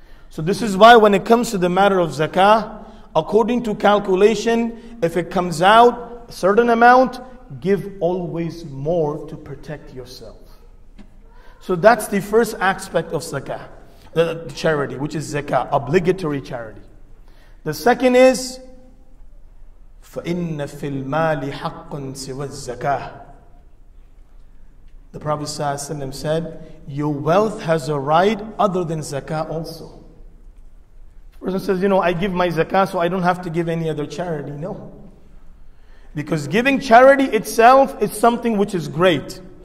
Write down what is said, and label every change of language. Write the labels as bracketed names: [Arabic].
[English] So this is why when it comes to the matter of zakah, according to calculation, if it comes out a certain amount, give always more to protect yourself. So that's the first aspect of zakah. The charity, which is zakah, obligatory charity. The second is, [Arabic] فَإِنَّ فِي الْمَالِ حَقٌّ سِوَى الزَّكَاةِ. [English] The Prophet ﷺ said, your wealth has a right other than zakah also. Person says, you know, I give my zakah so I don't have to give any other charity. No. Because giving charity itself is something which is great.